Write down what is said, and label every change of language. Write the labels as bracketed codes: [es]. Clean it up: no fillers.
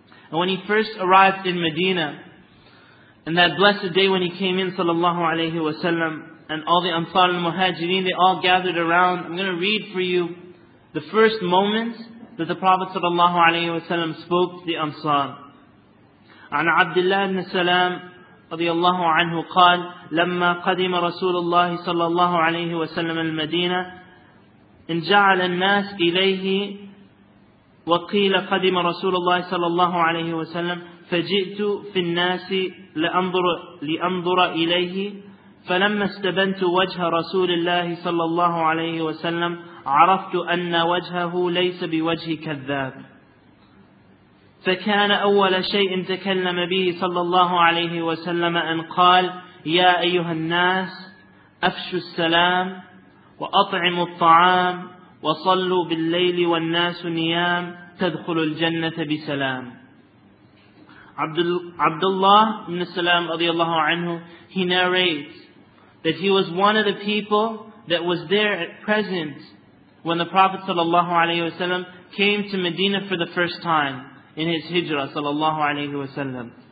[en] And when he first arrived in Medina, and that blessed day when he came in sallallahu alayhi wa sallam, and all the Ansar al-Muhajireen, they all gathered around. I'm going to read for you the first moment that the Prophet sallallahu alayhi wa sallam spoke to the Ansar. [ar] عن عبد الله بن سلام رضي الله عنه قال لما قدم رسول الله صلى الله عليه وسلم المدينة إن جعل الناس إليه وقيل قدم رسول الله صلى الله عليه وسلم فجئت في الناس لأنظر إليه فلما استبنت وجه رسول الله صلى الله عليه وسلم عرفت أن وجهه ليس بوجه كذاب فكان أول شيء تكلم به صلى الله عليه وسلم أن قال يا أيها الناس أفشوا السلام وأطعموا الطعام وصلوا بالليل والناس نيام تدخل الجنة بسلام. [en] عبدالله بن السلام رضي الله عنه, he narrates that he was one of the people that was there at present when the Prophet صلى الله عليه وسلم came to Medina for the first time in his hijrah sallallahu alayhi wa sallam.